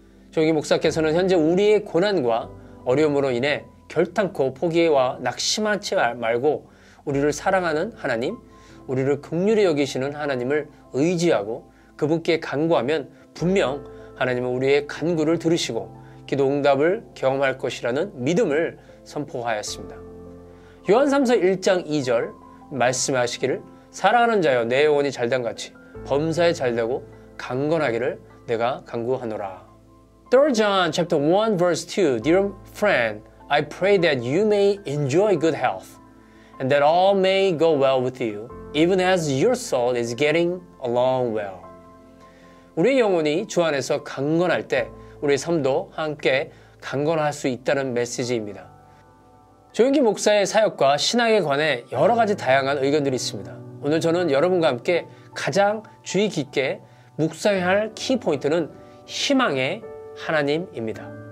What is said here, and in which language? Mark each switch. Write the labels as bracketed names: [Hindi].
[Korean] 조용기 목사께서는 현재 우리의 고난과 어려움으로 인해 결단코 포기와 낙심하지 말고 우리를 사랑하는 하나님, 우리를 긍휼히 여기시는 하나님을 의지하고 그분께 간구하면 분명 하나님은 우리의 간구를 들으시고 기도 응답을 경험할 것이라는 믿음을 선포하였습니다. 요한삼서 1장 2절 말씀하시기를 사랑하는 자여 내 영혼이 잘된같이 범사에 잘되고 강건하기를 내가 간구하노라. [English] 3 John chapter 1 verse 2 Dear friend, I pray that you may enjoy good health and that all may go well with you even as your soul is getting along well. [Korean] 우리의 영혼이 주 안에서 강건할 때 우리의 삶도 함께 강건할 수 있다는 메시지입니다. 조용기 목사의 사역과 신앙에 관해 여러 가지 다양한 의견들이 있습니다. 오늘 저는 여러분과 함께 가장 주의 깊게 묵상해야 할 키포인트는 희망의 하나님입니다.